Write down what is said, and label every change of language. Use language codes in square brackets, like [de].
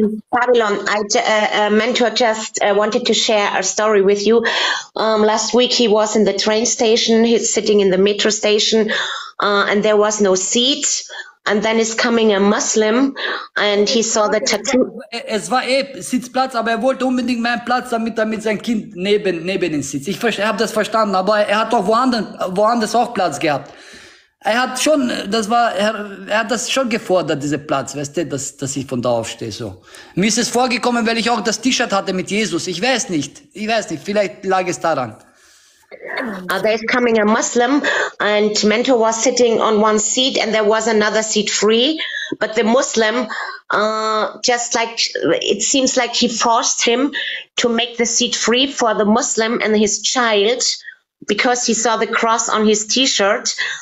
[en] Babylon, Mentor just wanted to share a story with you. Last week he was in the train station. He's sitting in the metro station. And there was no seat. And then is coming a Muslim and he saw the tattoo. [de] Es war Sitzplatz, aber er wollte unbedingt meinen Platz, damit er mit seinem Kind neben ihm sitzt. Ich habe das verstanden, aber er hat doch woanders auch Platz gehabt. Er hat das schon gefordert, dieser Platz, weißt du, dass ich von da aufstehe, so. Mir ist es vorgekommen, weil ich auch das T-Shirt hatte mit Jesus. Ich weiß nicht, vielleicht lag es daran. [en] There is coming a Muslim and Mentor was sitting on one seat and there was another seat free, but the Muslim just like it seems like he forced him to make the seat free for the Muslim and his child because he saw the cross on his T-shirt.